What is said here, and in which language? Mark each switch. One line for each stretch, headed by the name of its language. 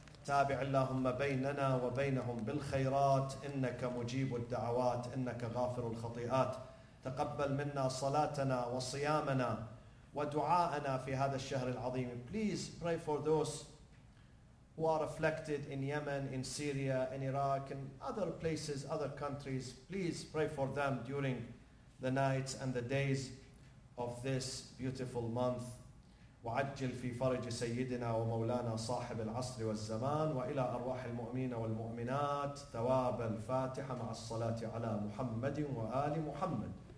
Arabic: تابع اللهم بيننا وبينهم بالخيرات إنك مجيب الدعوات إنك غافر الخطيئات. تقبل منا صلاتنا وصيامنا ودعاءنا في هذا الشهر العظيم.
English: Please pray for those who are afflicted in Yemen, in Syria, in Iraq, in other places, other countries. Please pray for them during the nights and the days of this beautiful month.
Arabic: وعجل في فرج سيدنا ومولانا صاحب العصر والزمان وإلى أرواح المؤمنين والمؤمنات ثواب الفاتحة مع الصلاة على محمد وآل محمد.